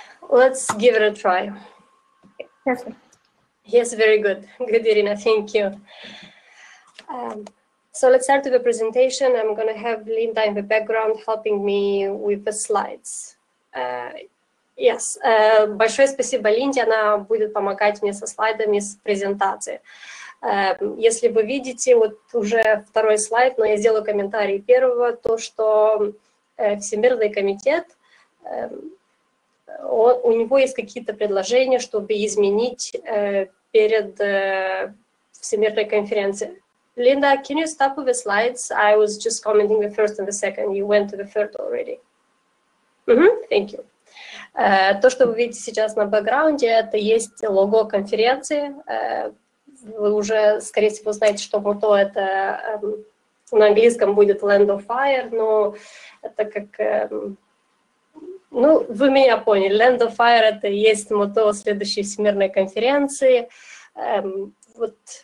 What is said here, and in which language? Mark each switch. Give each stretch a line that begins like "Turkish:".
English: Let's give it a try. Perfect. Yes, very good. Good, Irina, thank you. So let's start with the presentation. I'm going to have Linda in the background helping me with the slides.
Russian: Yes, большое спасибо Линде, она будет помогать мне со слайдами с презентации. Если вы видите, вот уже второй слайд, но я сделаю комментарий первого, то что Всемирный комитет, у него есть какие-то предложения, чтобы изменить перед Всемирной конференцией.
English: Linda, can you stop with the slides? I was just commenting the first and the second. You went to the third already. Mm-hmm. Thank you.
Russian: То, что вы видите сейчас на бэкграунде, это есть лого конференции. Вы уже, скорее всего, знаете, что мото это на английском будет Land of Fire, но это как... ну, вы меня поняли. Land of Fire — это есть мото следующей всемирной конференции. Вот...